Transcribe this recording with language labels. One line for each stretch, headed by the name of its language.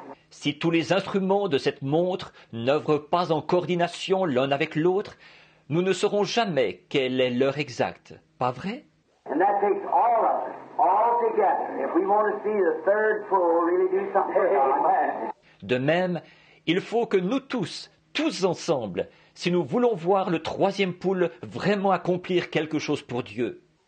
French: Si tous les instruments de cette montre n'œuvrent pas en coordination l'un avec l'autre, nous ne saurons jamais quelle est l'heure exacte. Pas vrai?
English: And that takes all of us, all together, if we want to see the third fool really do something.
French: De même, il faut que nous tous ensemble, si nous voulons voir le troisième poule vraiment accomplir quelque chose pour Dieu.